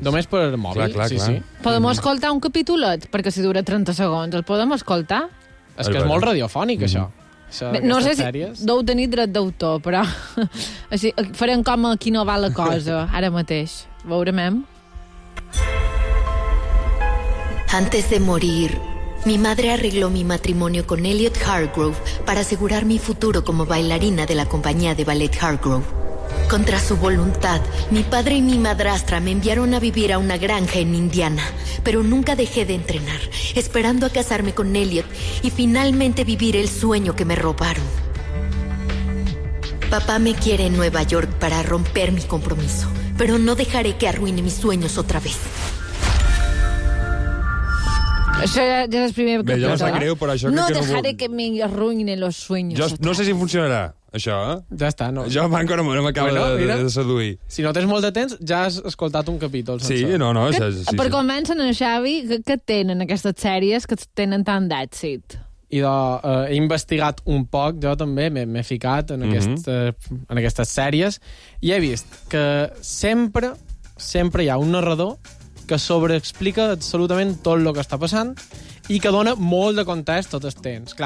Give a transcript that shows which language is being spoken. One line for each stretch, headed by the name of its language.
Catalan: Només per mòbil, clar, sí, clar. Sí. Podem escoltar un capítolet? Perquè si dura 30 segons, el podem escoltar? És que és molt radiofònic, això. Bé, no sé si deu tenir dret d'autor, però... Així, farem com a qui no va la cosa, ara mateix. Veurem.
Spanish: Antes de morir, mi madre arregló mi matrimonio con Elliot Hargrove para asegurar mi futuro como bailarina de la compañía de ballet Hargrove. Contra su voluntad, mi padre y mi madrastra me enviaron a vivir a una granja en Indiana, pero nunca dejé de entrenar, esperando a casarme con Elliot y finalmente vivir el sueño que me robaron. Papá me quiere en Nueva York para romper mi compromiso, pero no dejaré que arruine mis sueños otra vez.
Catalan: Això ja és el primer capítol. Bé, jo em sap greu, però això...
Spanish: No que dejaré que me arruïnen los sueños.
Catalan: Jo no sé si funcionarà, això, eh? Ja està, no. Jo encara no m'acaba de seduir. Si no tens molt de temps, ja has escoltat un capítol. Sí, sense. No, que, sí, per sí. Convèncer en Xavi, què tenen aquestes sèries que tenen tant d'èxit? Idò, he investigat un poc, jo també m'he ficat en, en aquestes sèries, i he vist que sempre hi ha un narrador que sobreexplica absolutament tot el que està passant i que dona molt de context tot el temps.